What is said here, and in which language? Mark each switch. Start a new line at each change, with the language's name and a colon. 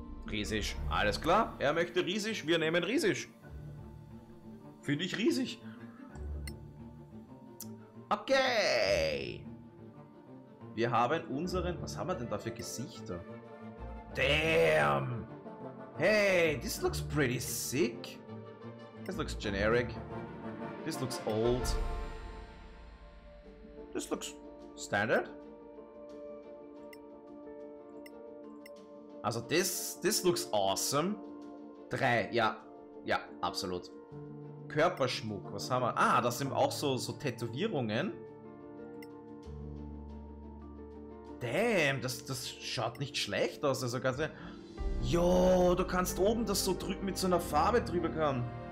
German: Riesisch, alles klar. Er möchte Riesisch, wir nehmen Riesisch. Finde ich riesig. Okay. Wir haben unseren... Was haben wir denn da für Gesichter?
English: Damn. Hey, this looks pretty sick. This looks generic. This looks old. This looks standard. Also this looks awesome.
German: 3, ja. Ja, absolut. Körperschmuck, was haben wir? Ah, das sind auch so Tätowierungen. Damn, das schaut nicht schlecht aus. Also ganz. Jo, du kannst oben das so drücken mit so einer Farbe drüber kann.